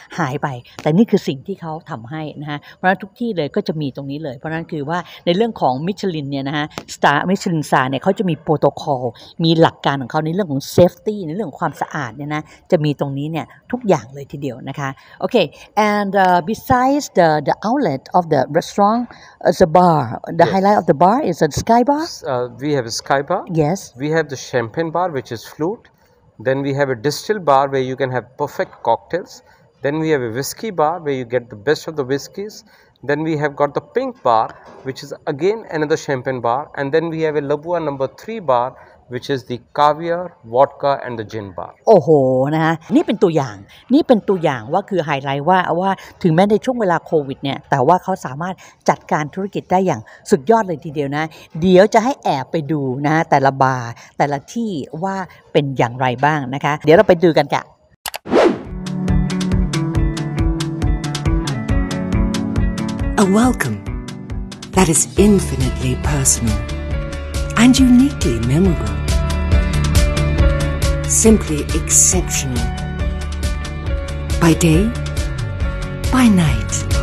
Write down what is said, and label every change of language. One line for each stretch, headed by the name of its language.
Thai: หายไปแต่นี่คือสิ่งที่เขาทำให้นะฮะเพราะทุกที่เลยก็จะมีตรงนี้เลยเพราะนั้นคือว่าในเรื่องของมิชลินเนี่ยนะฮะ star มิชลินสตาร์เนี่ยเขาจะมีโปรโตคอลมีหลักการของเขาในเรื่องของ safety ในเรื่องความสะอาดเนี่ยนะจะมีตรงนี้เนี่ยทุกอย่างเลยทีเดียวนะคะโอเค
English: and besides the outlet of the restaurant the bar the yes. highlight of the bar is the sky bar We have a sky bar. Yes. We have the champagne bar, which is flute. Then we have a distilled bar where you can have perfect cocktails. Then we have a whiskey bar where you get the best of the whiskies. Then we have got the pink bar, which is again another champagne bar. And then we have a Le Bois number 3 bar. Which is the caviar, vodka, and the gin bar.
Thai: Oh, นะฮะนี่เป็นตัวอย่างนี่เป็นตัวอย่างว่าคือไฮไลท์ว่าถึงแม้ในช่วงเวลาโควิดเนี่ยแต่ว่าเขาสามารถจัดการธุรกิจได้อย่างสุดยอดเลยทีเดียวนะเดี๋ยวจะให้แอบไปดูนะแต่ละบาร์แต่ละที่ว่าเป็นอย่างไรบ้างนะคะเดี๋ยวเราไปดูกันค่ะ
English: A welcome that is infinitely personal and uniquely memorable. Simply exceptional. By day, by night.